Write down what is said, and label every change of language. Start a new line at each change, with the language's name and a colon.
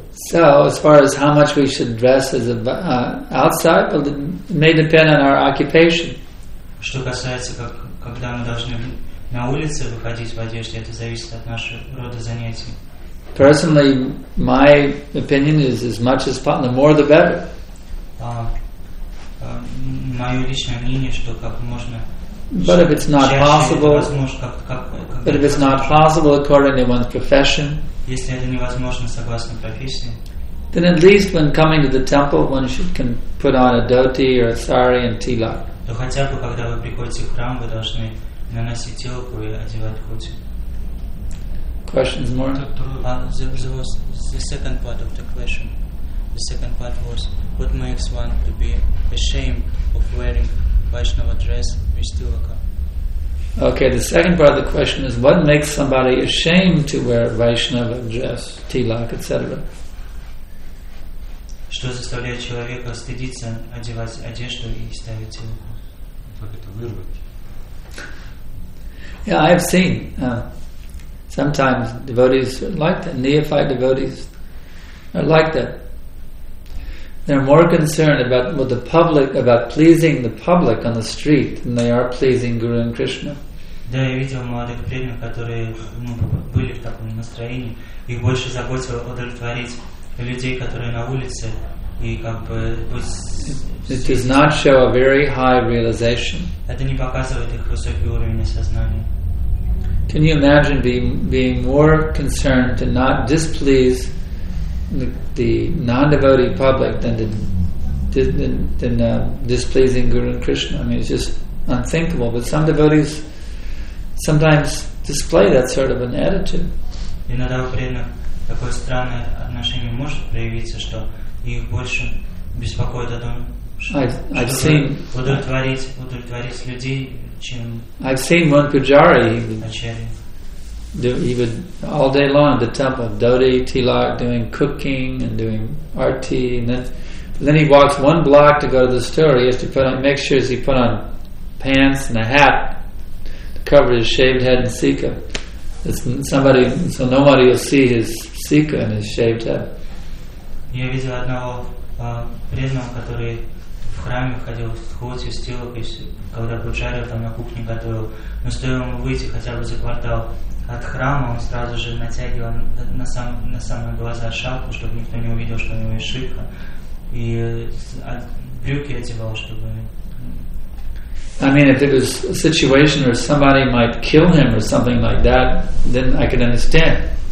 English: So, as far as how much we should dress as a outside, well, it may depend on our occupation.
Russian: Что касается, как когда мы должны на улице выходить в одежде, это зависит от нашего рода занятий.
English: Personally, my opinion is as much as possible, the more the better.
Russian: Мое личное мнение, что как можно.
English: But if it's not possible, according to one's profession.
Russian: Если это невозможно согласно профессии,
English: then at least when coming to the temple, one should can put on a dhoti or a sari and tilak.
Russian: То хотя бы когда вы приходите в храм, вы должны наносить тилак и одевать дхоти.
English: Questions more? The second part of the question. The second part was, what makes one to be ashamed of wearing Vaishnava dress with tilaka? Okay, the second part of the question is, what makes somebody ashamed to wear Vaishnava dress, tilak, etc.?
Russian: Что заставляет человека стыдиться одевать одежду и ставить тилак? Как это вырвать?
English: Yeah, I have seen. Sometimes devotees are like that. Neophyte devotees are like that. They're more concerned about what the public, about pleasing the public on the street, than they are pleasing Guru and Krishna.
Russian: Да, я видел молодых преданных, которые были в таком настроении. Их больше заботило удовлетворить людей, которые на улице.
English: It does not show a very high realization.
Russian: Это не показывает их высокий уровень сознания.
English: Can you imagine being more concerned to not displease the non-devotee public than displeasing Guru and Krishna? I mean, it's just unthinkable. But some devotees sometimes display that sort of an attitude.
Russian: Иногда у преданных такое странное отношение может проявиться, что их больше беспокоит о том, чтобы удовлетворить людей.
English: I've seen one pujari. He would all day long at the temple, dhoti, tilak, doing cooking and doing arti, and then he walks one block to go to the store. He has to put on pants and a hat to cover his shaved head and sikha. So nobody will see his sikha and his shaved head.
Russian: Я видел одного преданного, который в храме ходил в дхоти, с тилакой, когда пуджарил там на кухне, готовил. Но стоило ему выйти хотя бы за квартал от храма, он сразу же натягивал на самые глаза шапку, чтобы никто не увидел, что у него есть шикха. И брюки одевал, чтобы...
English: I mean, if it was a situation where somebody might kill him or something like that, then I could understand.